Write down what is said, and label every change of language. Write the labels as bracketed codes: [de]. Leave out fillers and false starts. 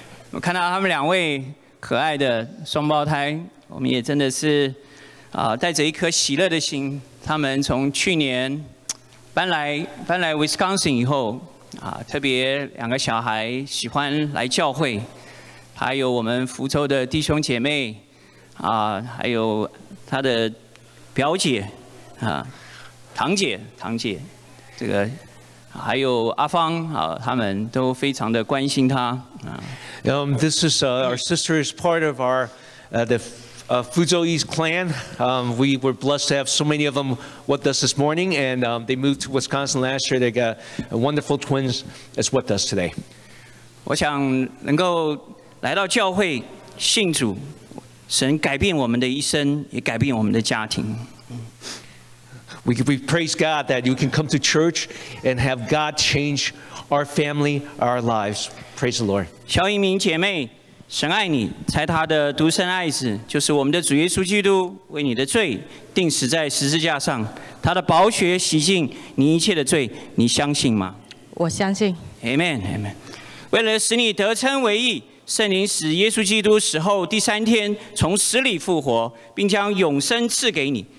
[zh] 我看到他们两位可爱的双胞胎，我们也真的是带着一颗喜乐的心，他们从去年搬来 Wisconsin 以后特别两个小孩喜欢来教会，还有我们福州的弟兄姐妹还有他的表姐堂姐这个还有阿芳他们都非常的关心他 [en] This is our sister is part of our Fuzhou East clan. We were blessed to have so many of them with us this morning, and they moved to Wisconsin last year. They got a wonderful twins that's with us today. [zh] 我想能够来到教会信主，神改变我们的一生，也改变我们的家庭。 [en] We praise God that you can come to church and have God change our family, our lives. Praise the Lord. [zh] 小移民姐妹。神爱你，才他的独生爱子，就是我们的主耶稣基督，为你的罪钉死在十字架上。他的宝血洗净你一切的罪，你相信吗？我相信。 [en] Amen, amen. [zh] 为了使你得称为义，圣灵使耶稣基督死后第三天从死里复活，并将永生赐给你。